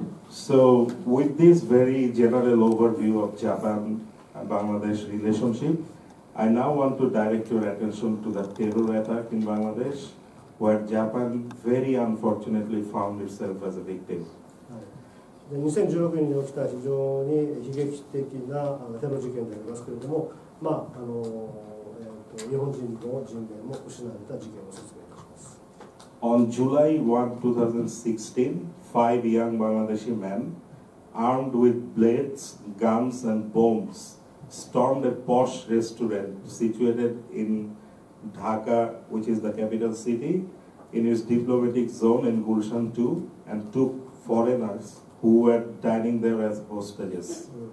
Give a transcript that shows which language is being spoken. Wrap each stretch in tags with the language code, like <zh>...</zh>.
<en>So with this very general overview of Japan and Bangladesh relationship, I now want to direct your attention to the terror attack in Bangladesh, where Japan very unfortunately found itself as a victim.</en> <ja>2016年に起きた非常に悲劇的なテロ事件でありますけれども。まあ日本人の人命も失われた事件を説明いたします。</ja> <en>On July 1, 2016, five young Bangladeshi men, armed with blades, guns and bombs, stormed a posh restaurant situated in Dhaka, which is the capital city, in its diplomatic zone in Gulshan 2, and took foreigners who were dining there as hostages.</en>